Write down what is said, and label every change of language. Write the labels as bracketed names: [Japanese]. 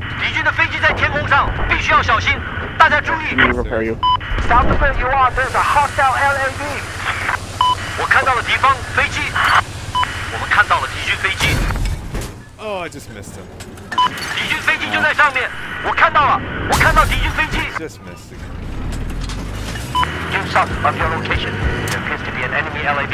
[Chinese] 敌军的飞机在天空上, 必须要小心, 大家注意. [English] Let me repair you. South of where you are, there's a hostile LAV. [Chinese] 我看到了敌方飞机.我们看到了敌军飞机. [English] Oh, I just missed him. [Chinese] 敌军飞机就在上面，我看到了，我看到敌军飞机。 [English] Just missing. Due south of your location, there appears to be an enemy LAV.